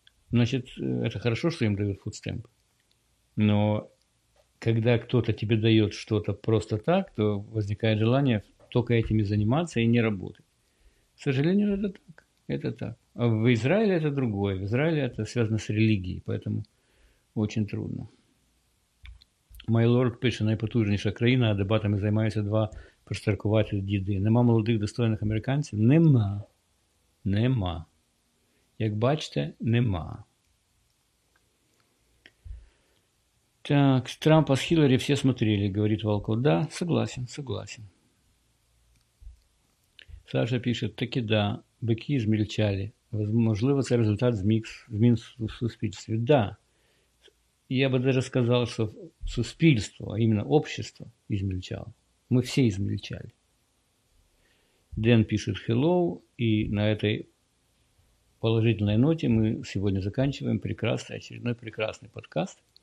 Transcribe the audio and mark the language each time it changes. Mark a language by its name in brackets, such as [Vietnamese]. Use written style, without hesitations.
[Russian] Значит, это хорошо, что им дают фудстемп. Но когда кто-то тебе дает что-то просто так, то возникает желание только этим и заниматься, и не работать. К сожалению, это так. Это так. А в Израиле это другое. В Израиле это связано с религией, поэтому очень трудно. [Ukrainian] Майлорд пишет, найпотужніша країна, а дебатами займаються два проштаркувати діди. Нема молодих достойних американців? Нема. Нема. Як бачите, нема. [Russian] Так, Трампа с Хиллари все смотрели, говорит Волков. Да, согласен. Саша пишет, таки да, бики измельчали. [Ukrainian] Можливо, це результат змін в суспільстві. [Russian] Да. Я бы даже сказал, что суспільство, а именно общество, измельчало. Мы все измельчали. Дэн пишет «Hello», и на этой положительной ноте мы сегодня заканчиваем прекрасный, очередной прекрасный подкаст.